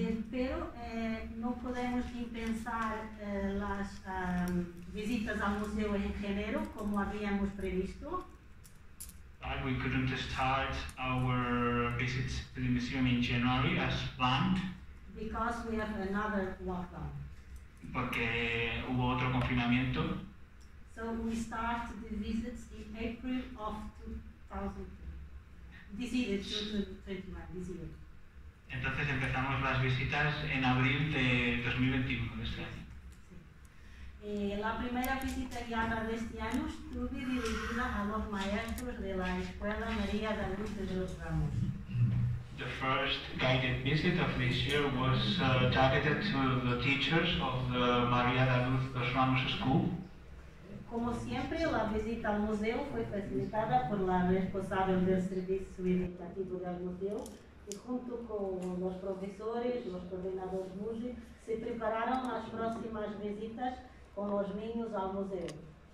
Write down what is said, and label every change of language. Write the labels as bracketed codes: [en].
[es] Pero no podemos impensar las visitas al museo en enero como habíamos previsto. [en] But we couldn't start our visits to the museum in January as planned. Because we have another lockdown. [es] Porque hubo otro confinamiento. [en] So we start the visits in April of 2021. [es] Entonces empezamos las visitas en abril de 2021, de este año. Sí. La primera visita guiada de este año estuve dirigida a los maestros de la Escuela María de Luz de los Ramos. [en] The first guided visit of this year was targeted to the teachers of the María de Luz de los Ramos School. [es] Como siempre, la visita al museo fue facilitada por la responsable del servicio educativo del museo, y junto con los profesores, los coordinadores MUGE, se prepararon las próximas visitas con los niños al museo.